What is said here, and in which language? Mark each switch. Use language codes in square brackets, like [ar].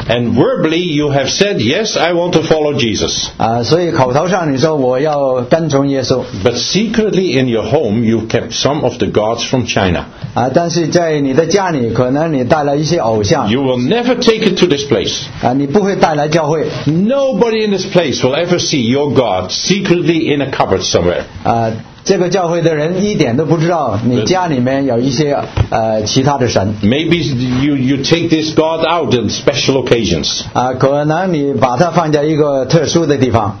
[en] And verbally you have said, yes, I want to follow Jesus. [zh] 所以口头上你说我要跟从耶稣。 [en] But secretly in your home you kept some of the gods from China. [zh] 但是在你的家里可能你带了一些偶像。 [en] You will never take it to this place. [zh] 你不会带来教会。 [en] Nobody in this place will ever see your God secretly in a cupboard somewhere. [zh] 这个教会的人一点都不知道你家里面有一些其他的神。 [en] Maybe you take this God out in special occasions. [zh] 可能你把它放在一个特殊的地方。